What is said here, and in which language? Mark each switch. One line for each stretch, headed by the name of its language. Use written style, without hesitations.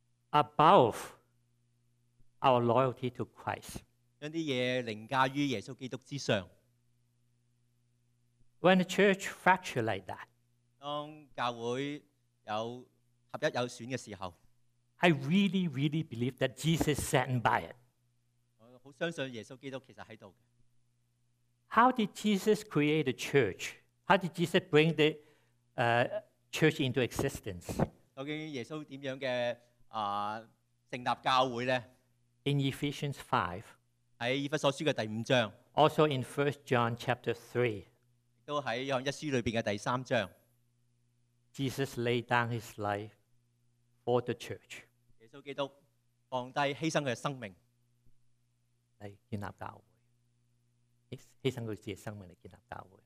English: above our loyalty to Christ,
Chinese: 将这些事凌驾于耶稣基督之上。
English: When the church fractures like that,
Chinese: 当教会有合一有损的时候，
English: I really, really believe that Jesus is saddened by it.
Chinese: 我很相信耶稣基督其实在这里。
English: How did Jesus create the church? How did Jesus bring the church into existence.
Chinese: 究竟耶稣怎样的成立教会呢？
English: In Ephesians 5,
Chinese: 在以弗所书的第五章，
English: also in 1 John chapter 3,
Chinese: 都在约翰一书里面的第三章，
English: Jesus laid down his life for the church.
Chinese: 耶稣基督放低牺牲他的生命来建立教会，牺牲他自己的生命来建立教会，